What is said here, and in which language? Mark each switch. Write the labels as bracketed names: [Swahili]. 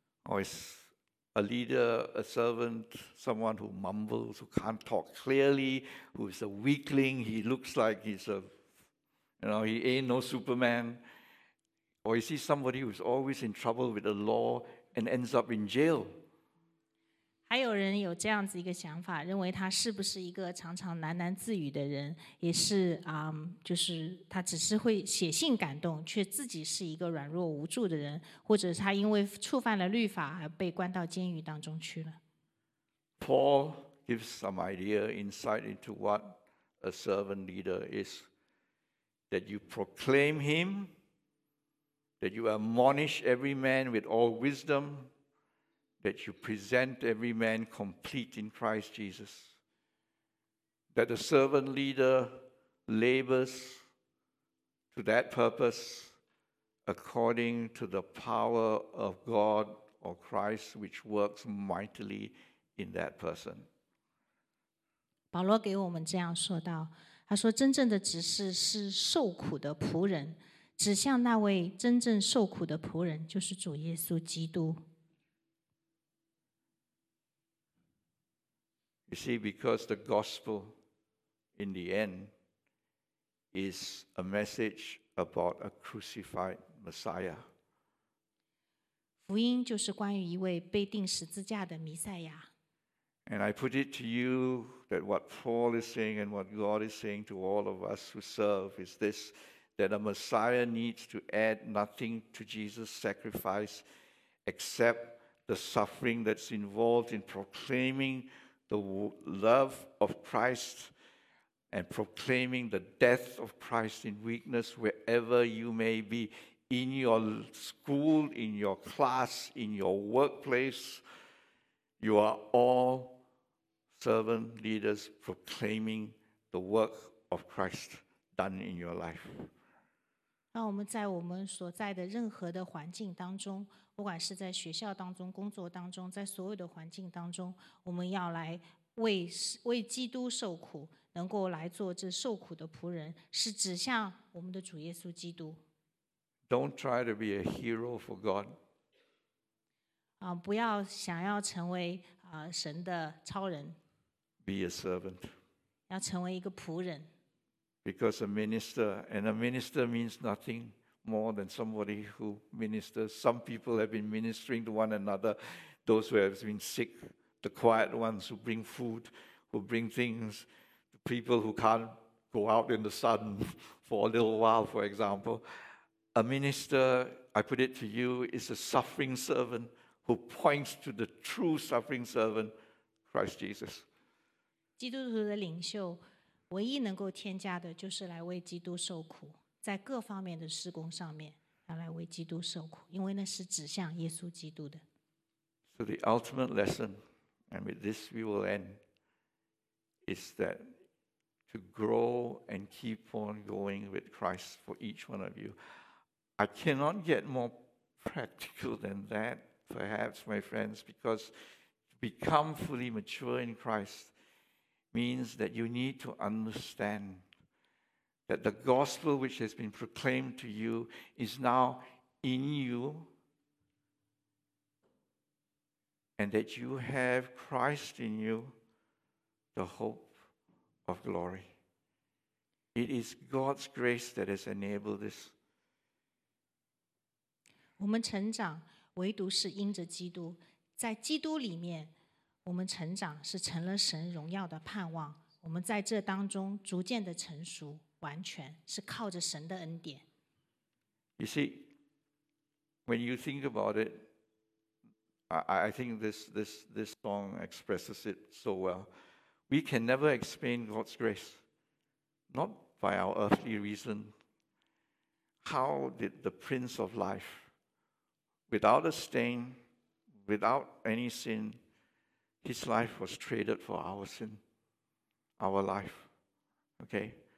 [English] Or is a leader, a servant, someone who mumbles, who can't talk clearly, who is a weakling, he looks like he's a... You know, he ain't no Superman. Or is he somebody who's always in trouble with the law and ends up in jail? [Chinese] 还有人有这样子一个想法，认为他是不是一个常常喃喃自语的人，也是就是他只是会写信感动，却自己是一个软弱无助的人，或者他因为触犯了律法而被关到监狱当中去了。 [English] Paul gives some idea, insight into what a servant leader is. That you proclaim him, that you admonish every man with all wisdom, that you present every man complete in Christ Jesus. That the servant leader labors to that purpose according to the power of God or Christ, which works mightily in that person. [Chinese] 保罗给我们这样说道。他说真正的执事是受苦的仆人，指向那位真正受苦的仆人，就是主耶稣基督。 [English] You see, because the gospel in the end is a message about a crucified Messiah. [Chinese] 福音就是关于一位被钉十字架的弥赛亚。 [English] And I put it to you that what Paul is saying and what God is saying to all of us who serve is this, that a Messiah needs to add nothing to Jesus' sacrifice except the suffering that's involved in proclaiming the love of Christ and proclaiming the death of Christ in weakness wherever you may be, in your school, in your class, in your workplace. You are all servant leaders proclaiming the work of Christ done in your life. [Chinese] 当我们在我们所在的任何的环境当中，不管是在学校当中、工作当中，在所有的环境当中，我们要来为基督受苦，能够来做这受苦的仆人，是指向我们的主耶稣基督。 [English] Don't try to be a hero for God. [Chinese] 不要想要成为神的超人。 [English] Be a servant. [Chinese] 要成为一个仆人。 [English] Because a minister, and a minister means nothing more than somebody who ministers. Some people have been ministering to one another, those who have been sick, the quiet ones who bring food, who bring things, the people who can't go out in the sun for a little while, for example. A minister, I put it to you, is a suffering servant who points to the true suffering servant, Christ Jesus. [Chinese] 基督徒的领袖唯一能够添加的就是来为基督受苦，在各方面的事工上面要来为基督受苦，因为那是指向耶稣基督的。 [English] So the ultimate lesson, and with this we will end, is that to grow and keep on going with Christ for each one of you. I cannot get more practical than that, perhaps, my friends, because to become fully mature in Christ means that you need to understand that the gospel which has been proclaimed to you is now in you, and that you have Christ in you, the hope of glory. It is God's grace that has enabled this. [Chinese] 我们成长唯独是因着基督，在基督里面我们成长是成了神荣耀的盼望，我们在这当中逐渐的成熟完全，是靠着神的恩典。 [English] You see, when you think about it, I think this song expresses it so well. We can never explain God's grace, not by our earthly reason. How did the Prince of Life, without a stain, without any sin, his life was traded for our sin, our life. Okay?